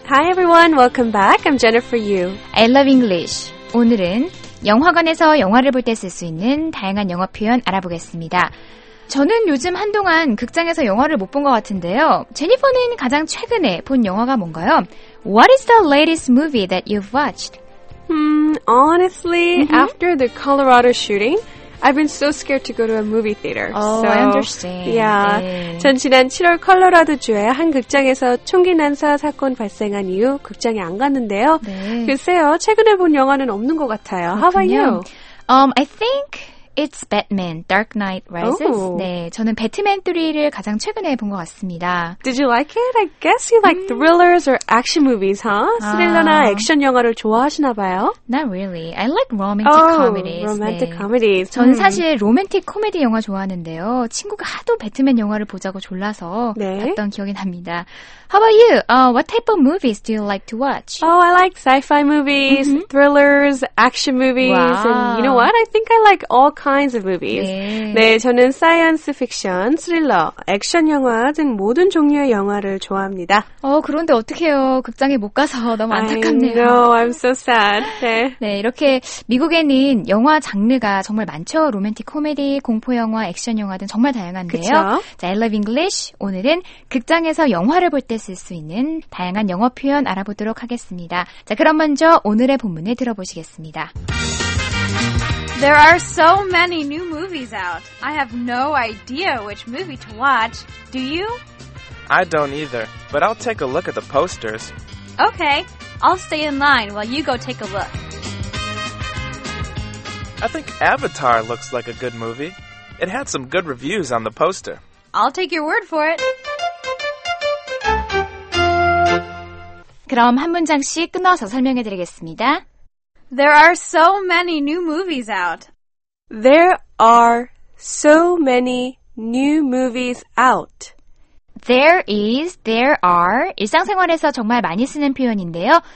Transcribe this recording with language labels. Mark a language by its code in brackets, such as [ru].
[en] Hi, everyone. Welcome back. I'm Jennifer Yu. I love English. [ko] 오늘은 영화관에서 영화를 볼 때 쓸 수 있는 다양한 영어 표현 알아보겠습니다. 저는 요즘 한동안 극장에서 영화를 못 본 것 같은데요. 제니퍼는 가장 최근에 본 영화가 뭔가요? [en] What is the latest movie that you've watched? Honestly, after the Colorado shooting, I've been so scared to go to a movie theater. Oh, so, I understand. Yeah. [ko] 전 지난 7월 콜로라도주에 한 극장에서 총기 난사 사건 발생한 이후 극장에 안 갔는데요. 네. 글쎄요, 최근에 본 영화는 없는 것 같아요. 그렇군요. [en] How about you? I think it's Batman, Dark Knight Rises. Oh. [ko] 네, 저는 배트맨 3를 가장 최근에 본 것 같습니다. [en] Did you like it? I guess you like thrillers or action movies, huh? [ko] 스릴러나 액션 영화를 좋아하시나 봐요? [en] Not really. I like romantic comedies. Romantic comedies. [ko] 저는 사실 로맨틱 코미디 영화 좋아하는데요. 친구가 하도 배트맨 영화를 보자고 졸라서 네. 봤던 기억이 납니다. [en] How about you? What type of movies do you like to watch? Oh, I like sci-fi movies, thrillers, action movies. Wow. And you know what? I think I like all kinds of movies. [ko] 네. 네, 저는 사이언스 픽션, 스릴러, 액션 영화 등 모든 종류의 영화를 좋아합니다. 그런데 어떡해요. 극장에 못 가서 너무 안타깝네요. [en] I know. I'm so sad. [ko] 네. 네, 이렇게 미국에는 영화 장르가 정말 많죠. 로맨틱 코미디, 공포 영화, 액션 영화 등 정말 다양한데요. 그쵸? [en] 자, I love English. [ko] 오늘은 극장에서 영화를 볼 때 쓸 수 있는 다양한 영어 표현 알아보도록 하겠습니다. 자, 그럼 먼저 오늘의 본문을 들어보시겠습니다. [en] There are so many new movies out. I have no idea which movie to watch. Do you? I don't either, but I'll take a look at the posters. Okay, I'll stay in line while you go take a look. I think Avatar looks like a good movie. It had some good reviews on the poster. I'll take your word for it. [ko] 그럼 한 문장씩 끊어서 설명해 드리겠습니다. [en] There are so many new movies out. There are so many new movies out. There is, there are [ko] 일상생활에서 정말 많이 쓰는 표현인데요.